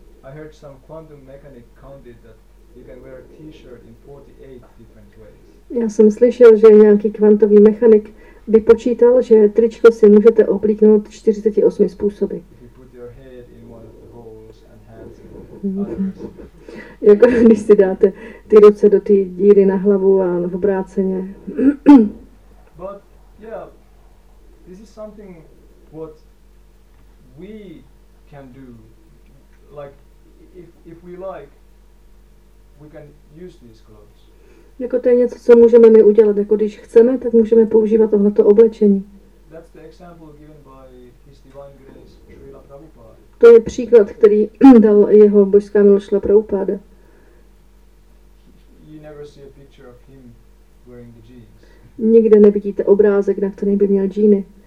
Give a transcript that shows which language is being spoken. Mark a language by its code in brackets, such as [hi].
[en] I heard some quantum mechanic counted that you can wear a t-shirt in 48 different ways. [cs] Já jsem slyšel, že nějaký kvantový mechanik vypočítal, že tričko si můžete oblíknout 48 způsoby. [en] If you put your head in one of the holes and hands in others. [cs] Jako když si dáte ty ruce do té díry na hlavu a v obráceně. [en] But yeah, this is something what we can do. Like if we like, we can use these clothes. [cs] Jako to je něco, co můžeme my udělat, jako když chceme, tak můžeme používat tohleto oblečení. [en] That's the example given by His Divine Grace Srila Prabhupada. [cs] To je příklad, který dal jeho božská milost Srila Prabhupada. [en] You never see a picture of him wearing the jeans. [cs] Nikde nevidíte obrázek, na který by měl džíny.